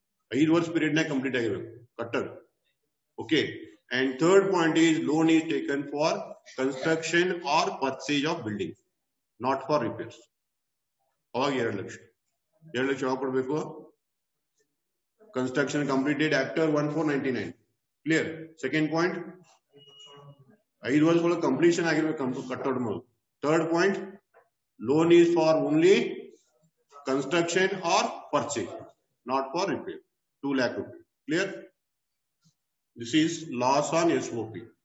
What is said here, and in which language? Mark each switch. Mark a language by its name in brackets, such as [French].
[Kannada] 5 ವರ್ಷ ಪೀರಿಯಡ್ ನಾಗ ಕಂಪ್ಲೀಟ್ ಆಗಿರ್ಬೇಕು ಕಟ್ಟಡ [English] okay and third point is loan is taken for construction or purchase of building not for repairs [Kannada] ಅವಾಗ 2 lakh 2 lakh ಯಾವಾಗ ಕೊಡ್ಬೇಕು [English] construction completed after 1/4/99. Clear? Second point. [Kannada] 5 ವರ್ಷ ಒಳಗೆ ಕಂಪ್ಲೀಷನ್ ಆಗಿರ್ಬೇಕು ಕಟ್ಟಡ ಮೊದಲು. [English] Third point, loan is for only construction or purchase, not for repair. 2 lakh rupees. Clear? This is loss on SOP.